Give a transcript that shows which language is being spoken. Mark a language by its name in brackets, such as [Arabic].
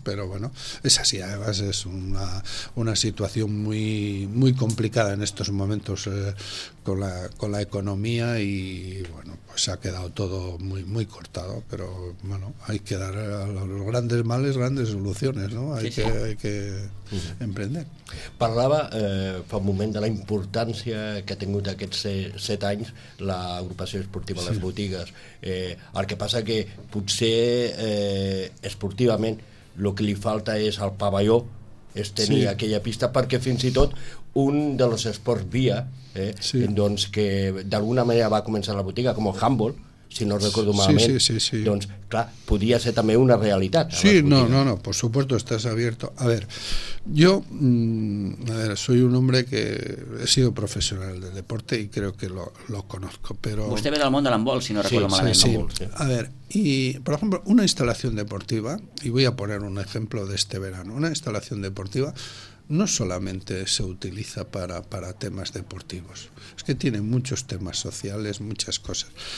[Spanish] Pero bueno, es así. Además, es una situación muy, muy complicada en estos momentos con la economía y, bueno, pues ha quedado todo muy, muy cortado. Pero bueno, hay que dar a los grandes males grandes soluciones, ¿no? Hay que emprender. [Catalan] Parlava fa un moment de la importància que ha tingut aquests 7 anys l'agrupació esportiva a les botigues. El que passa que potser esportivament el que li falta és al pavelló és tenir aquella pista, perquè fins i tot un dels esports via doncs que d'alguna manera va començar la botiga, com el handball, [Spanish] si no recuerdo malamente, [Catalan] doncs, clar, podia ser també una realitat. [Spanish] Sí, no, por supuesto, estás abierto. A ver, yo soy un hombre que he sido profesional del deporte y creo que lo conozco, pero... [Catalan] Vostè ve del món de l'handbol, [Spanish] si no recuerdo malamente. Sí. A ver, y, por ejemplo, una instalación deportiva, y voy a poner un ejemplo de este verano, una instalación deportiva no solamente se utiliza para temas deportivos, es que tiene muchos temas sociales, muchas cosas.